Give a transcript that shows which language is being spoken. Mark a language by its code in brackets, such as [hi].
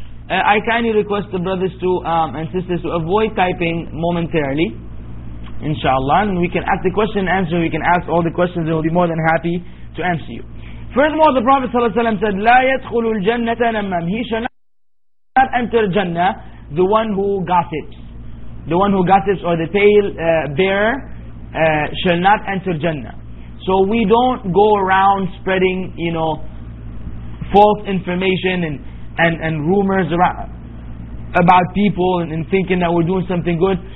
[en] I kindly request the brothers to and sisters to avoid typing momentarily, inshallah, and we can ask the question and answer. We can ask all the questions and we'll be more than happy to answer you. Furthermore, the Prophet ﷺ said, [ar] لا يدخل الجنة نمام. [en] He shall not enter Jannah, the one who gossips. The one who gossips, or the tale bearer, shall not enter Jannah. So we don't go around spreading, you know, false information and rumors about people and thinking that we're doing something good.